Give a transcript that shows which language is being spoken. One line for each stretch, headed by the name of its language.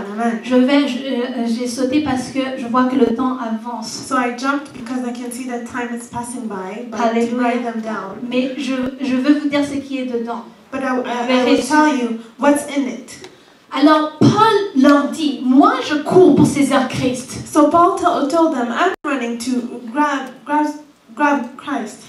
French: J'ai sauté parce que je vois que le temps avance.
English: So I jumped because I can see that time is passing by, but to write them down.
French: Mais je veux vous dire ce qui est dedans.
English: But I will tell you what's in it.
French: Alors Paul leur dit, moi je cours pour saisir Christ.
English: So Paul told them, I'm running to grab Christ.